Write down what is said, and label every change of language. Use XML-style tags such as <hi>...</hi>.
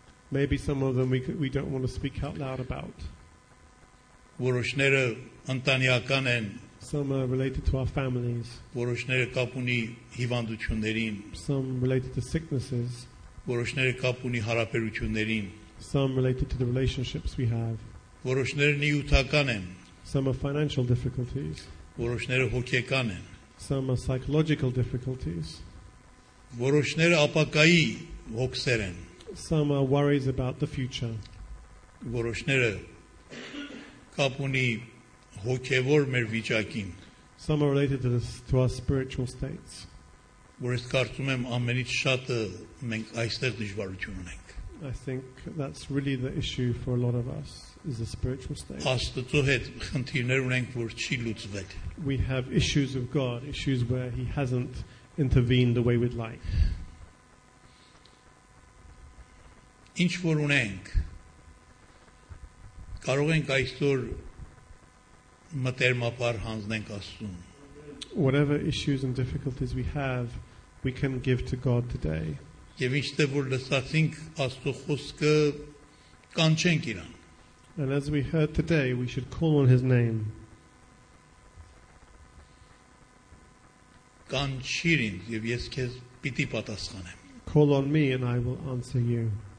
<en>Maybe some of them we don't want to speak out loud about. Some are related to our families.</en> <hy>Որոշները կապ ունի հիվանդություններին.</hy> <en>Some related to sicknesses.</en> <hy>Որոշները կապ ունի հարաբերություններին.</hy> <en>Some related to the relationships we have.</en> <hy>Որոշները նյութական են.</hy> <en>Some are financial difficulties.</en> <hy>Որոշները հոգեկան են.</hy> <en>Some are psychological difficulties.</en> <hy>Որոշները ապակայի հոգսեր են.</hy> <en>Some are worries about the future.</en> <hy>Որոշները կապ ունի հոգևոր մեր վիճակին.</hy> <en>Some are related to our spiritual states.</en> <hy>Որպես կարծում եմ ամենից շատը մենք այստեղ դժվարություն ունենք.</hy> <en>I think that's really the issue for a lot of us. Is a spiritual state.</en> <hy>Աստծո հետ խնդիրներ ունենք, որ չի լուծվել.</hy> <en>We have issues of God, issues where He hasn't intervened the way we'd like.</en> <hy>Ինչ որ ունենք, կարող ենք այսօր մտերմապար հանձնենք Աստծուն.</hy> <en>Whatever issues and difficulties we have, we can give to God today.</en> <hy>Եվ ինչտեղ որ լսացինք Աստծո խոսքը, կանչենք իրան.</hy> <en>And as we heard today, we should call on His name. Call on me and I will answer you.</en>